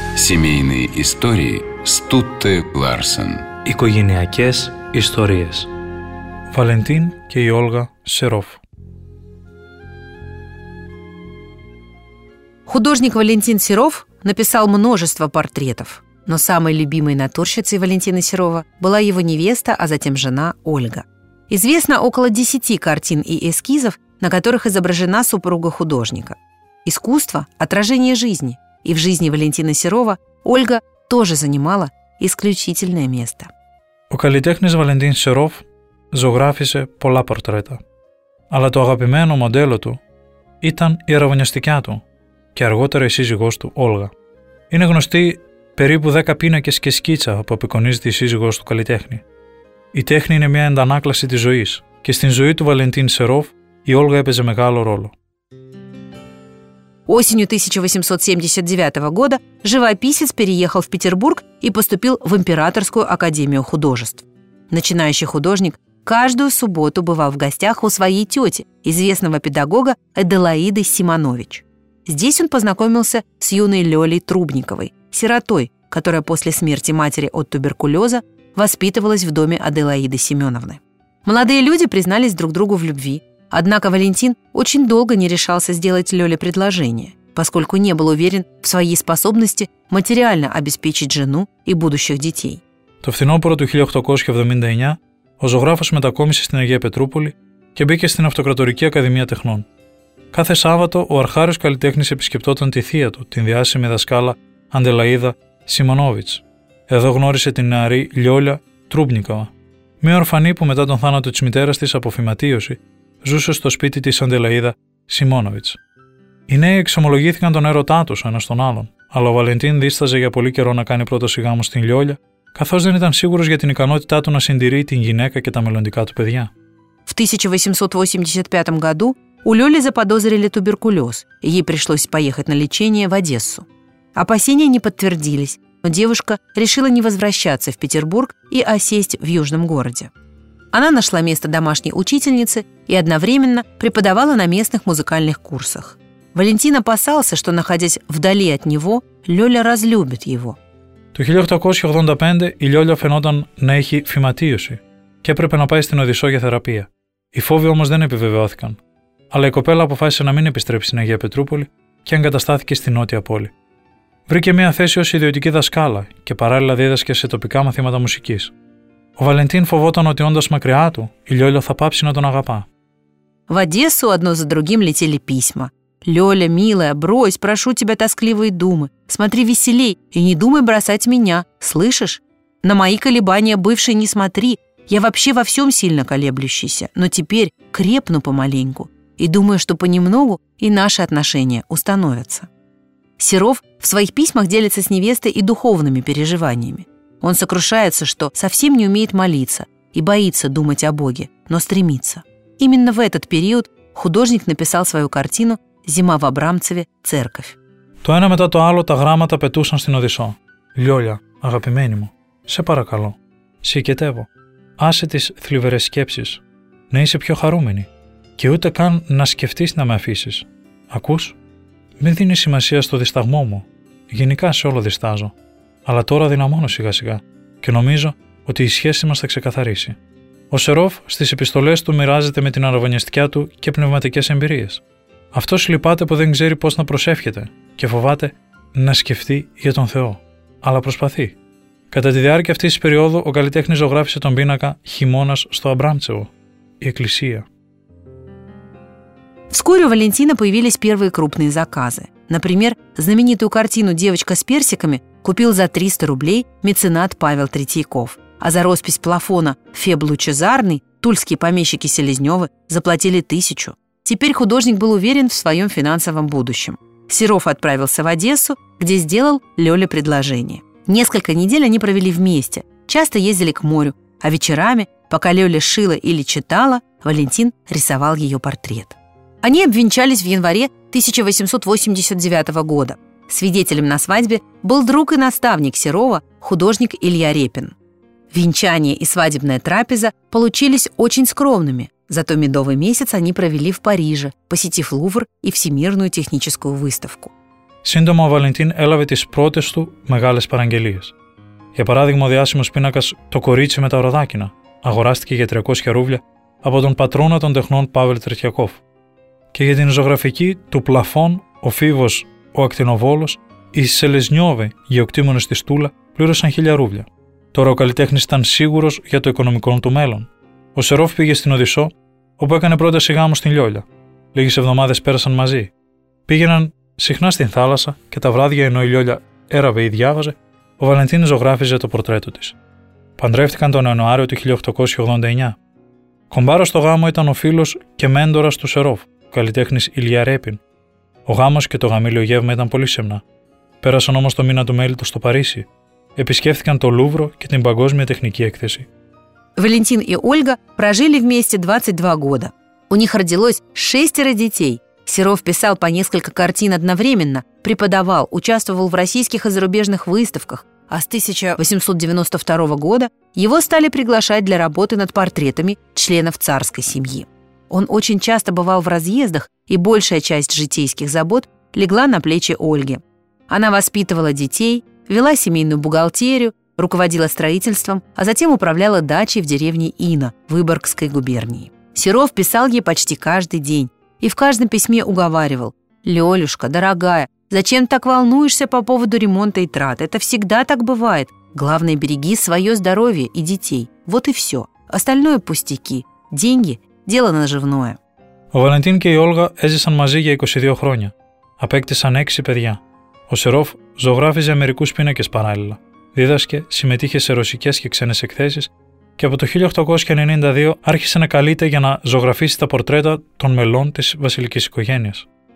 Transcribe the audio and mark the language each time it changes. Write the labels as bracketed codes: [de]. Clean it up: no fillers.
[ru] Семейные истории Стутте Ларсен. [el] Οικογενειακές ιστορίες. Βαλεντίν και η Όλγα Σερόφ. [ru] Художник Валентин Серов написал множество портретов, но самой любимой натурщицей Валентина Серова была его невеста, а затем жена Ольга. Известно около 10 картин и эскизов, на которых изображена супруга художника. Искусство – отражение жизни, и в жизни Валентина Серова Ольга тоже занимала исключительное место. [el] Ο καλλιτέχνης Валентин Серов ζωγράφισε πολλά πορτρέτα, αλλά το αγαπημένο μοντέλο του ήταν η αραβωνιαστικιά του και αργότερα η σύζυγός του, Όλγα. Είναι γνωστή περίπου 10 πίνακες και σκίτσα που απεικονίζεται η σύζυγός του καλλιτέχνη. Η τέχνη είναι μια εντανάκλαση της ζωής και στην ζωή του Βαλεντίν Σερόφ η Όλγα έπαιζε μεγάλο ρόλο. [ru] Осенью 1879 года живописец переехал в Петербург и поступил в Императорскую академию художеств. Начинающий художник каждую субботу бывал в гостях у своей тети, известного педагога Эделаиды Симонович. Здесь он познакомился с юной Лёлей Трубниковой, сиротой, которая после смерти матери от туберкулеза воспитывалась в доме Аделаиды Семеновны. Молодые люди признались друг другу в любви. Однако Валентин очень долго не решался сделать Лёле предложение, поскольку не был уверен в своей способности материально обеспечить жену и будущих детей. [el] Το φθινόπωρο του 1879 ο ζωγράφος μετακόμισε στην Αγία Πετρούπολη και μπήκε στην Αυτοκρατορική Ακαδημία Τεχνών. Κάθε Σάββατο ο αρχάριος καλλιτέχνης επισκεπτόταν τη θεία του, την διάσημη δασκάλα Αντελαίδα Σιμονόβιτς. Εδώ γνώρισε την νεαρή Λιόλια Τρούμπνικοβα, μια ορφανή που μετά τον θάνατο της μητέρας της από φυματίωση ζούσε στο σπίτι της Αντελαίδα Σιμονόβιτς. Οι νέοι εξομολογήθηκαν τον έρωτά τους ένας τον άλλον, αλλά ο Βαλεντίν δίσταζε για πολύ καιρό να κάνει πρόταση γάμου στην Λιόλια, καθώς δεν ήταν σίγουρος για την ικανότητά του να συντηρεί την γυναίκα και τα μελλοντικά του παιδιά. [ru] В 1885 году у Лёли заподозрили туберкулез, и ей пришлось поехать на лечение в Одессу. Опасения не подтвердились, но девушка решила не возвращаться в Петербург и осесть в Южном городе. Она нашла место домашней учительницы и одновременно преподавала на местных музыкальных курсах. Валентин опасался, что, находясь вдали от него, Лёля разлюбит его. [el] Το 1885 η Лёля φαινόταν να έχει φυματίωση και έπρεπε να πάει στην Οδυσσό για θεραπεία. Οι φόβοι όμως δεν επιβεβαιώθηκαν. Αλλά η κοπέλα αποφάσισε να μην επιστρέψει στην Αγία Πετρούπολη και εγκαταστάθηκε στη Νότια Πόλη. Βρήκε μια θέση ως ιδιωτική δασκάλα και παράλληλα δίδασκε σε τοπικά μαθήματα μουσικής. Ο Βαλεντίν φοβόταν ότι όντας μακριά του, η Λιόλια θα πάψει να τον αγαπά. [ru] В Одессу одно за другим летели письма. «Лёля, милая, брось, прошу тебя тоскливые думы. Смотри веселей и не думай бросать меня, слышишь? На мои колебания бывшей не смотри. Я вообще во всем сильно колеблющийся, но теперь крепну помаленьку и думаю, что понемногу и наши отношения установятся». Серов в своих письмах делится с невестой и духовными переживаниями. Он сокрушается, что совсем не умеет молиться и боится думать о Боге, но стремится. Именно в этот период художник написал свою картину «Зима в Абрамцеве. Церковь». [el] Το ένα μετά το άλλο τα γράμματα πετούσαν στην Οδυσσό. «Λιόλια, αγαπημένη μου, σε παρακαλώ, σε οικετεύω. Άσε τις θλιβερές σκέψεις, να είσαι πιο χαρούμενη και ούτε καν να σκεφτείς να με αφήσεις. Ακούς, μην δίνεις σημασία στο δισταγμό μου, γενικά σε όλο διστάζω, αλλά τώρα δυναμώνω σιγά σιγά και νομίζω ότι η σχέση μας θα ξεκαθαρίσει». Ο Σερόφ στις επιστολές του μοιράζεται με την αραβωνιαστικιά του και πνευματικές εμπειρίες. Αυτός λυπάται που δεν ξέρει πώς να προσεύχεται και φοβάται να σκεφτεί για τον Θεό, αλλά προσπαθεί. Κατά τη διάρκεια αυτής της περίοδου, ο καλλιτέχνης ζωγράφισε τον πίνακα «Χειμώνας στο Αμπράμτσεβο», η εκκλησία. [ru] Вскоре у Валентина появились первые крупные заказы. Например, знаменитую картину «Девочка с персиками» купил за 300 рублей меценат Павел Третьяков, а за роспись плафона «Феб Лучезарный» тульские помещики Селезневы заплатили 1000. Теперь художник был уверен в своем финансовом будущем. Серов отправился в Одессу, где сделал Лёле предложение. Несколько недель они провели вместе, часто ездили к морю, а вечерами, пока Лёля шила или читала, Валентин рисовал ее портрет. Они обвенчались в январе 1889 года. Свидетелем на свадьбе был друг и наставник Серова, художник Илья Репин. Венчание и свадебная трапеза получились очень скромными, зато медовый месяц они провели в Париже, посетив Лувр и Всемирную техническую выставку. [el] Σύντομα ο Βαλεντίν έλαβε τις πρώτες του μεγάλες παραγγελίες. Για παράδειγμα, ο διάσημος πίνακας «Το κορίτσι με τα οροδάκινα» αγοράστηκε για 300 ρούβλια από τον πατρόνα των τεχνών Παύλ Τρετιακόφ. Και για την ζωγραφική του «Πλαφόν», ο Φίβος, ο Ακτινοβόλος, οι Σελεζνιόβε, γεωκτήμονες στη Στούλα, πλήρωσαν 1000 ρούβλια. Τώρα ο καλλιτέχνης ήταν σίγουρος για το οικονομικό του μέλλον. Ο Σερόφ πήγε στην Οδυσσό, όπου έκανε πρόταση γάμου στην Λιόλια. Λίγες εβδομάδες πέρασαν μαζί. Πήγαιναν συχνά στην θάλασσα και τα βράδια, ενώ η Λιόλια έραβε ή διάβαζε, ο Βαλεντίν ζωγράφιζε το πορτρέτο της. Παντρεύτηκαν τον Ιανουάριο του 1889. Κομπάρος στο γάμο ήταν ο φίλος και μέντορας του Σερόφ, ο καλλιτέχνης Ηλία Ρέπιν. Ο γάμος και το γαμήλιο γεύμα ήταν πολύ σεμνά. Πέρασαν όμως το μήνα του μέλητος στο Παρίσι. Επισκέφθηκαν το Λούβρο και την Παγκόσμια Τεχνική Έκθεση. Βαλεντίν και [ru] Ольга прожили вместе 22 года. У них родилось 6 детей. Серов писал по несколько картин одновременно, преподавал, участвовал в российских и зарубежных выставках, а с 1892 года его стали приглашать для работы над портретами членов царской семьи. Он очень часто бывал в разъездах, и большая часть житейских забот легла на плечи Ольги. Она воспитывала детей, вела семейную бухгалтерию, руководила строительством, а затем управляла дачей в деревне Ина, Выборгской губернии. Серов писал ей почти каждый день, и в каждом письме уговаривал: «Лёлюшка, дорогая, зачем так волнуешься по поводу ремонта и трат? Это всегда так бывает. Главное, береги своё здоровье и детей. Вот и всё. Остальное пустяки. Деньги – дело наживное». [el] Ο Βαλεντίν και η Όλγα έζησαν μαζί για 22 χρόνια. Απέκτησαν 6 παιδιά. Ο Σερόφ ζωγράφιζε μερικούς πίνακες παράλληλα. Δίδασκε, συμμετείχε σε ρωσικές και ξένες εκθέσεις και από το 1892 άρχισε να καλείται για να ζωγραφίσει τα πορτρέτα των μελών της βασιλικής οικογένειας.